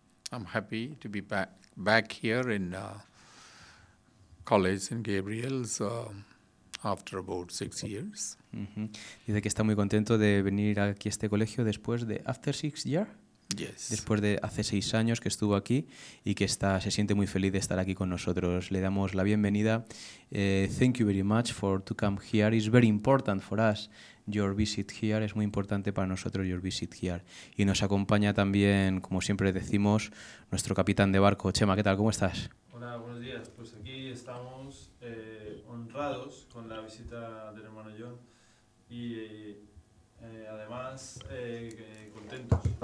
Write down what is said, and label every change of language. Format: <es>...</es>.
<en>I'm happy to be back here in college in Gabriel's after about 6 years. Mm-hmm.</en> <es>Dice que está muy contento de venir aquí a este colegio después de</es> <en>after 6 years. Yes.</en> <es>Después de hace 6 años que estuvo aquí y que está se siente muy feliz de estar aquí con nosotros. Le damos la bienvenida.</es> <en>Thank you very much for to come here. It's very important for us. Your visit here,</en> <es>es muy importante para nosotros</es> <en>your visit here.</en> <es>Y nos acompaña también, como siempre decimos, nuestro capitán de barco. Chema, ¿qué tal? ¿Cómo estás? Hola, buenos días. Pues aquí estamos honrados con la visita del hermano John y además contentos.</es>